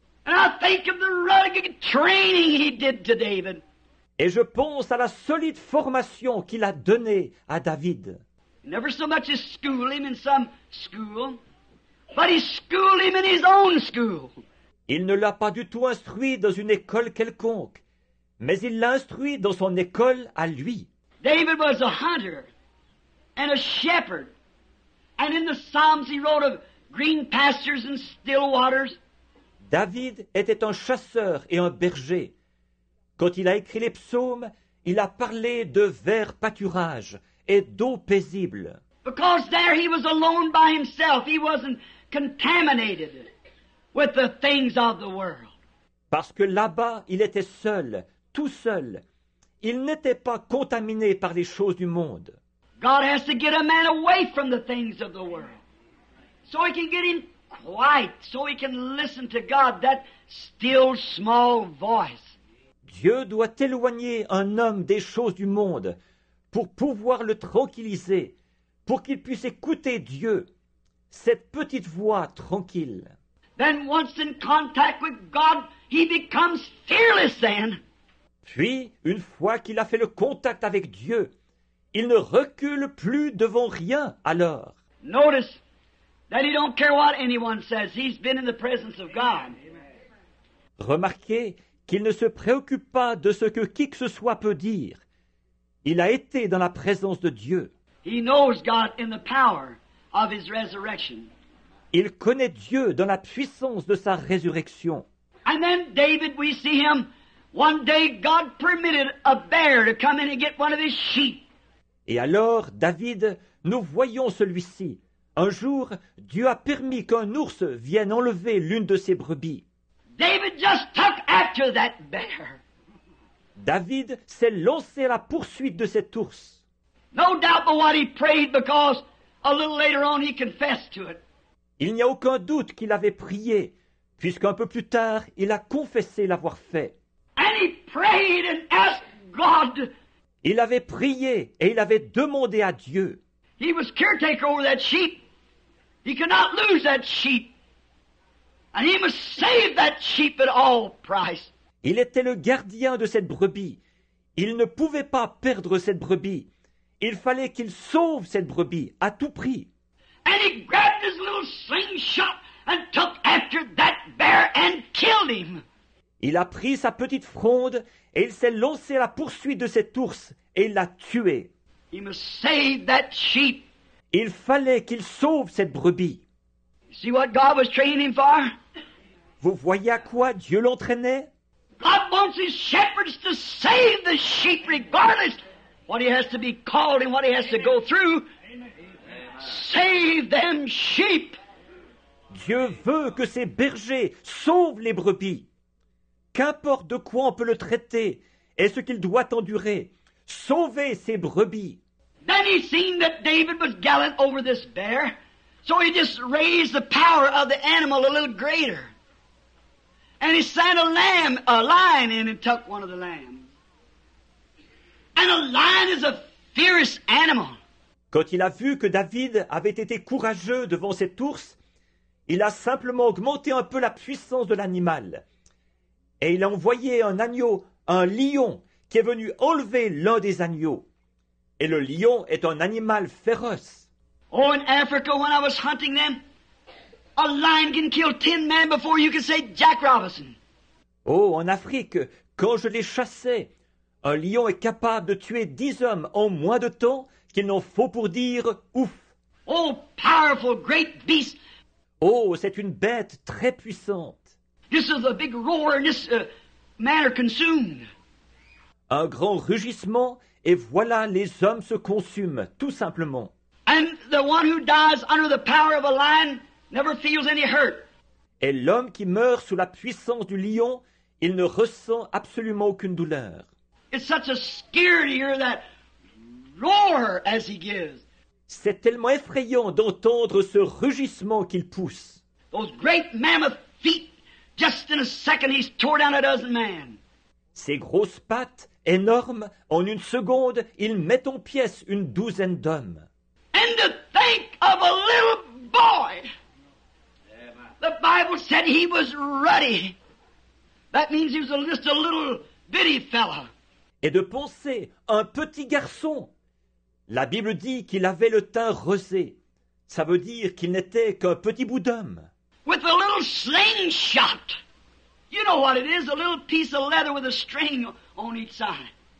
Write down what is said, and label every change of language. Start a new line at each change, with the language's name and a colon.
English: And I think of the rugged training he did to David.
French: Et je pense à la solide formation qu'il a donnée à David.
English: Never so much as school him in some school, but he schooled him in his own school.
French: Il ne l'a pas du tout instruit dans une école quelconque, mais il l'a instruit dans son école à lui.
English: David was a hunter and a shepherd. And in the Psalms he wrote of green pastures and still waters.
French: David était un chasseur et un berger. Quand il a écrit les psaumes, il a parlé de verts pâturages et d'eau paisible.
English: Because there he was alone by himself, he wasn't contaminated with the things of the world.
French: Parce que là-bas, il était seul, tout seul. Il n'était pas contaminé par les choses du monde.
English: God has to get a man away from the things of the world so he can get him quiet, so he can listen to God, that still small voice.
French: Dieu doit éloigner un homme des choses du monde pour pouvoir le tranquilliser, pour qu'il puisse écouter Dieu, cette petite voix tranquille.
English: Then once in contact with God, he becomes fearless then.
French: Puis, une fois qu'il a fait le contact avec Dieu, il ne recule plus devant rien alors.
English: Notice that he don't care what anyone says. He's been in the presence of God.
French: Remarquez qu'il ne se préoccupe pas de ce que qui que ce soit peut dire. Il a été dans la présence de Dieu.
English: He knows God in the power of his resurrection.
French: Il connaît Dieu dans la puissance de sa résurrection.
English: And then David, we see him. One day God permitted a bear to come in and get one of his sheep.
French: Et alors, David, nous voyons celui-ci. Un jour, Dieu a permis qu'un ours vienne enlever l'une de ses brebis.
English: David just took after that bear.
French: David s'est lancé à la poursuite de cet ours.
English: No doubt but what he prayed because a little later on he confessed to it.
French: Il n'y a aucun doute qu'il avait prié, puisqu'un peu plus tard, il a confessé l'avoir fait.
English: And he prayed and asked God.
French: Il avait prié et il avait demandé à Dieu.
English: He was caretaker over that sheep. He cannot lose that sheep. And he must save that sheep at all price.
French: Il était le gardien de cette brebis. Il ne pouvait pas perdre cette brebis. Il fallait qu'il sauve cette brebis à tout prix.
English: And he grabbed his little slingshot and took after that bear and killed him.
French: Il a pris sa petite fronde et il s'est lancé à la poursuite de cet ours et il l'a tué.
English: He must save that sheep.
French: Il fallait qu'il sauve cette brebis.
English: See what God was training him for?
French: Vous voyez à quoi Dieu l'entraînait?
English: God wants his shepherds to save the sheep regardless what he has to be called and what he has to go through. Save them sheep.
French: Dieu veut que ses bergers sauvent les brebis. Qu'importe de quoi on peut le traiter et ce qu'il doit endurer. Sauver ses brebis.
English: Then he seen that David was gallant over this bear, so he just raised the power of the animal a little greater. And he sent a lion in and took one of the lambs. And a lion is a fierce animal.
French: Quand il a vu que David avait été courageux devant cet ours, il a simplement augmenté un peu la puissance de l'animal. Et il a envoyé un agneau, un lion, qui est venu enlever l'un des agneaux. Et le lion est un animal féroce.
English: Oh, in Africa, when I was hunting them, A lion can kill 10 men before you can say Jack Robinson.
French: Oh, en Afrique, quand je l'ai chassé, un lion est capable de tuer 10 hommes en moins de temps qu'il n'en faut pour dire ouf.
English: Oh, powerful, great beast.
French: Oh, c'est une bête très puissante.
English: This is a big roar and this man are consumed.
French: Un grand rugissement et voilà les hommes se consument, tout simplement.
English: And the one who dies under the power of a lion never feels any hurt.
French: Et l'homme qui meurt sous la puissance du lion, il ne ressent absolument aucune douleur.
English: It's such a scare to hear that roar as he gives.
French: C'est tellement effrayant d'entendre ce rugissement qu'il pousse.
English: Those great mammoth feet, just in a second he's tore down a dozen men.
French: Ces grosses pattes énormes, en une seconde, il met en pièce une douzaine d'hommes.
English: And to think of a little boy. The Bible said he was ruddy. That means he was just a little bitty fella.
French: Et de penser un petit garçon. La Bible dit qu'il avait le teint rosé. Ça veut dire qu'il n'était qu'un petit bout d'homme.
English: With a little slingshot. You know what it is, a little piece of leather with a string on each side.